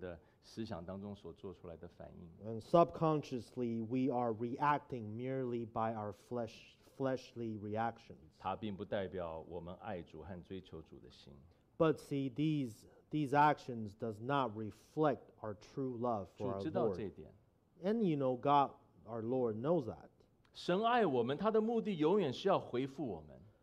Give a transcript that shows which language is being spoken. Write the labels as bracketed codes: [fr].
[zh] 我们是下意识里面在我们的肉体和我们的思想当中所做出来的反应。 [en] And subconsciously, we are reacting merely by our fleshly reactions. [zh] 它并不代表我们爱主和追求主的心。 [en] But see, these actions does not reflect our true love for our Lord. [zh] 主知道这一点。 [en] And you know, God, our Lord, knows that. [zh] 神爱我们，他的目的永远是要回复我们。